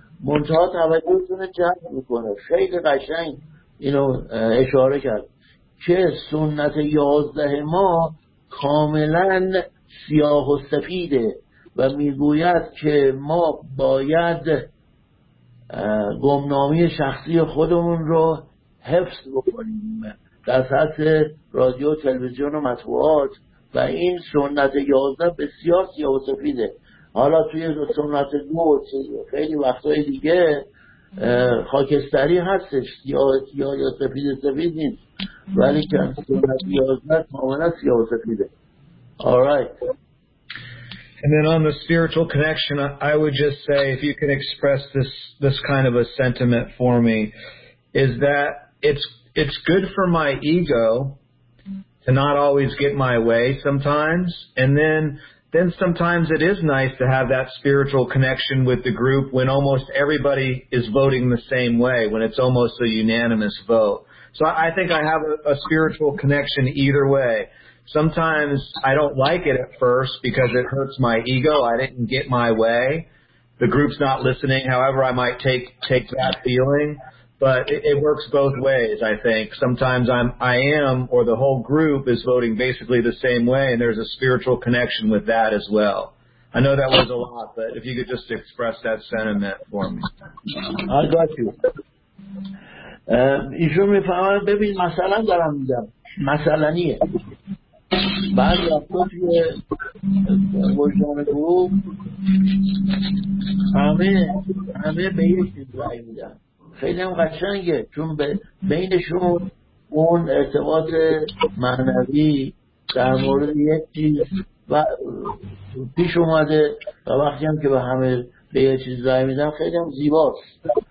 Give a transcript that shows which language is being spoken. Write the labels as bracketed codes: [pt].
[fa] منتها توجهتون رو جلب میکنه، خیلی قشنگ اینو اشاره کرد که سنت 11 ما کاملا سیاه و سفیده و میگوید که ما باید گمنامی شخصی خودمون رو حفظ بکنیم در سطح رادیو تلویزیون و مطبوعات، و این سنت 11 بسیار سیاه و سفیده. حالا توی سنت 2 خیلی وقتای دیگه خاکستری هستش، سیاه یا سفید سفید نیست، ولی که سنت 11 کاملا سیاه و سفیده. [en] Alright. And then on the spiritual connection, I would just say, if you can express this kind of a sentiment for me, is that it's good for my ego to not always get my way sometimes, and then sometimes it is nice to have that spiritual connection with the group when almost everybody is voting the same way, when it's almost a unanimous vote. So I think I have a spiritual connection either way. Sometimes I don't like it at first because it hurts my ego. I didn't get my way. The group's not listening, however I might take that feeling. But it works both ways, I think. Sometimes I am, or the whole group is voting basically the same way, and there's a spiritual connection with that as well. I know that was a lot, but if you could just express that sentiment for me. I got you. [fa] ایشون میفهمن ببین مثلا دارم میگم مثلنیه. بعد وقتا توی وجدان گروه همه به یه چیز رای میدن، خیلی هم قشنگه چون بینشون اون ارتباط معنوی در مورد یک چیز و پیش اومده و وقتی هم که به همه به یه چیز رای میدن خیلی هم زیباست.